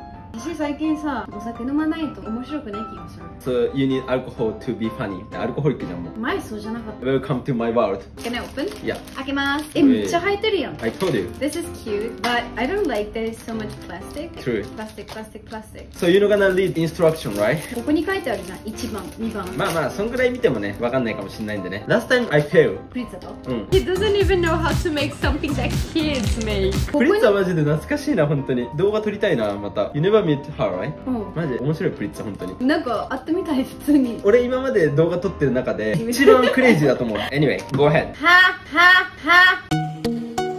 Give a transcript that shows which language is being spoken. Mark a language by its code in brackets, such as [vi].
[ja] 私最近さ、お酒飲まないと面白くない気がする。 [en] So you need alcohol to be funny. [ja] アルコホリックじゃん、もう。前そうじゃなかった。 [en] Welcome to my world. Can I open? Yeah. [ja] 開けます。え、めっちゃ入ってるやん。 [en] I told you. This is cute, but I don't like there's so much plastic. True. Plastic. So you're gonna read instruction, right? [ja] ここに書いてあるじゃん。 1番、2番。まあまあ、そんくらい見てもね、わかんないかもしれないんでね。 [en] Last time I failed. [ja] プリッツァと？うん。 [en] He doesn't even know how to make something that kids make. [ja] プリッツァマジで懐かしいな、本当に。動画撮りたいな、また。 [en] You never meet her, right? [ja] うん。マジ、面白いプリッツァ、本当に。なんか、みたい普通に。俺今まで動画撮ってる中で一番クレイジーだと思う。 [en] Anyway, go ahead. ははは。